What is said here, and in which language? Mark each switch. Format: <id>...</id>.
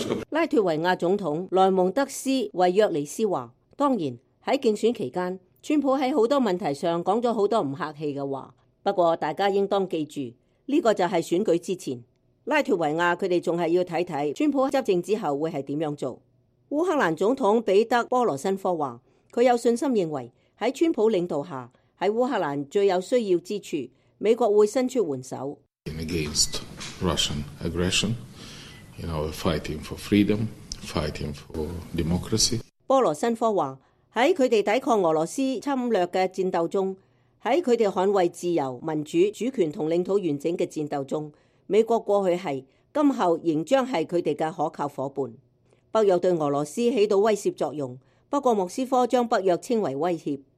<zh>拉脱维亚总统莱蒙德斯·维约尼斯说，当然在竞选期间，川普在很多问题上讲了很多不客气的话，不过大家应当记住，这个就是选举之前。拉脱维亚他们还是要看看川普执政之后会是怎样做。乌克兰总统彼得·波罗申科说，他有信心认为在川普领导下，在乌克兰最有需要之处，美国会伸出援手。</zh> <en>Against Russian aggression, you know, fighting for freedom, fighting for democracy.</en> <zh>波罗申科说，在他们抵抗俄罗斯侵略的战斗中，在他们捍卫自由、民主、主权和领土完整的战斗中，美国过去是，今后仍将是他们的可靠伙伴。北约对俄罗斯起到威胁作用，不过莫斯科将北约称为威胁。</zh>